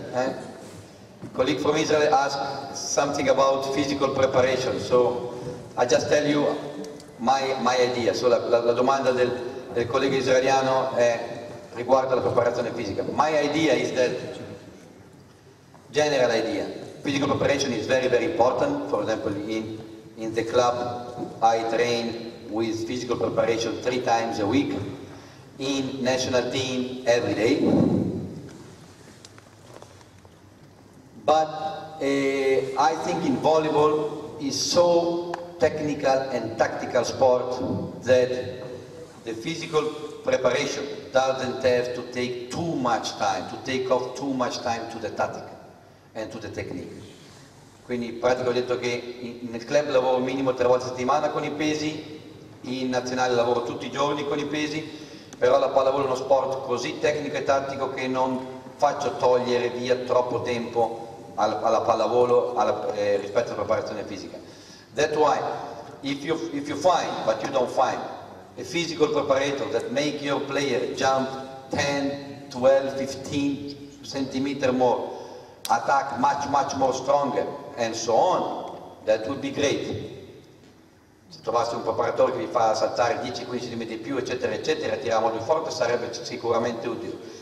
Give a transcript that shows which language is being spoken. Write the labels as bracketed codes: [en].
[en] A colleague from Israel asked something about physical preparation. So I just tell you my idea. [it] So la domanda del collega israeliano è riguardo alla preparazione fisica. [en] My idea is that, general idea, physical preparation is very, very important. For example, in the club, I train with physical preparation 3 times a week. In national team, every day. But I think in volleyball is so technical and tactical sport that the physical preparation doesn't have to take too much time, to take off too much time to the tactic and to the technique. [it] Quindi praticamente ho detto che nel club lavoro minimo 3 volte a settimana con i pesi, in nazionale lavoro tutti i giorni con i pesi, però la pallavolo è uno sport così tecnico e tattico che non faccio togliere via troppo tempo alla pallavolo rispetto alla preparazione fisica. [en] That's why if you find, but you don't find, a physical preparator that make your player jump 10, 12, 15 centimeter more, attack much, much more stronger, and so on, that would be great. [it] Se trovassi un preparatore che vi fa saltare 10-15 cm più, eccetera, eccetera, tiriamo più forte, sarebbe sicuramente utile.